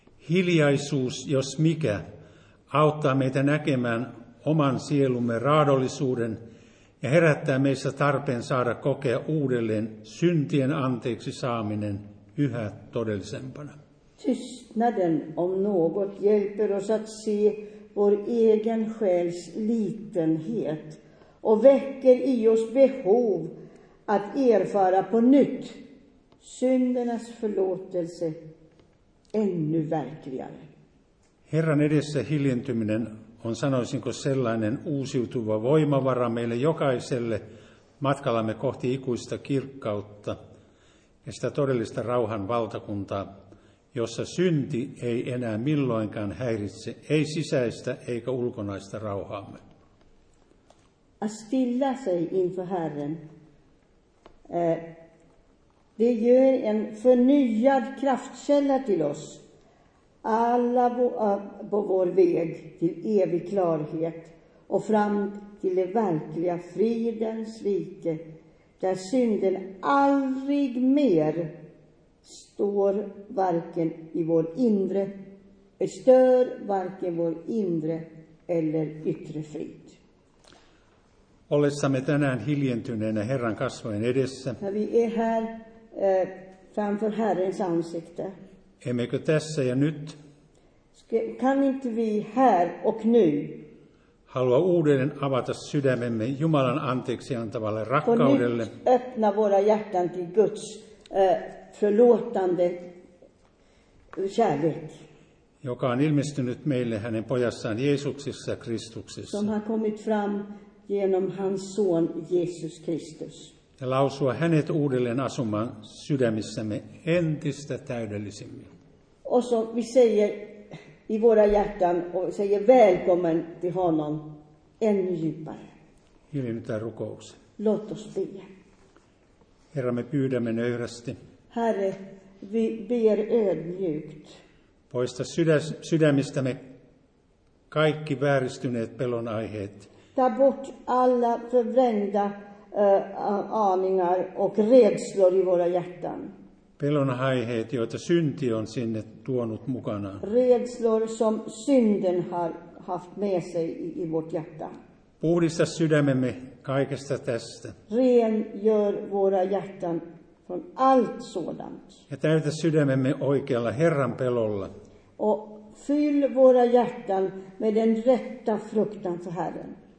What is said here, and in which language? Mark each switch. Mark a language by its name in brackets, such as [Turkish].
[Finnish] Hiljaisuus, jos mikä, auttaa meitä näkemään oman sielumme raadollisuuden ja herättää meissä tarpeen saada kokea uudelleen syntien anteeksi saaminen yhä todellisempana. [Swedish] Tystnaden om något hjälper oss att se vår egen själs litenhet och väcker i oss behov att erfara på nytt syndernas förlåtelse ännu verkligare. [Finnish] Herran edessä hiljentyminen on sanoisinko sellainen uusiutuva voimavara meille jokaiselle matkallamme kohti ikuista kirkkautta ja sitä todellista rauhan valtakuntaa, jossa synti ei enää milloinkaan häiritse, ei sisäistä eikä ulkonaista rauhaamme. [Swedish] Att stilla sig inför Herren, det gör en förnyad kraftkälla till oss, alla på vår väg till evig klarhet och fram till det verkliga fridens rike, där synden aldrig mer står varken i vår inre, stör varken vår inre eller yttre frid. [Finnish] Ollessamme tänään hiljentyneenä Herran kasvojen edessä. [Swedish] Ja vi är här framför Herrens ansikte. [Finnish] Emmekö tässä ja nyt? [Swedish] Kan inte vi här och nu? [Finnish] Halua uudelleen avata sydämemme Jumalan anteeksi antavalle rakkaudelle. [Swedish] På nytt öppna våra hjärtan till Guds förlåtande kärlek. [Finnish] Joka on ilmestynyt meille hänen pojassaan Jeesuksessa ja Kristuksessa. [Swedish] Som har kommit fram genom hans son Jesus Kristus. [Finnish] Ja lausua hänet uudelleen asumaan sydämissämme entistä täydellisimmin. [Swedish] Och så vi säger i våra hjärtan och säger välkommen till honom ännu djupare. [Finnish] Hiljennytään rukouksen. [Swedish] Låt oss be. [Finnish] Herra, me pyydämme nöyrästi. [Swedish] Herre, vi ber ödmjukt. [Finnish] Poista sydämistämme kaikki vääristyneet pelon aiheet. [Swedish] Ta bort alla förvrängda aningar och rädslor i våra hjärtan. [Finnish] Pelon aiheet, joita synti on sinne tuonut mukanaan. [Swedish] Rädslor som synden har haft med sig i vårt hjärta. [Finnish] Puhdista sydämemme kaikesta tästä. [Swedish] Rengör våra hjärtan från allt sådant. [Finnish] Ja täytä sydämemme oikealla Herran pelolla. [Swedish] Och fyll våra hjärtan med den rätta fruktan för Herren.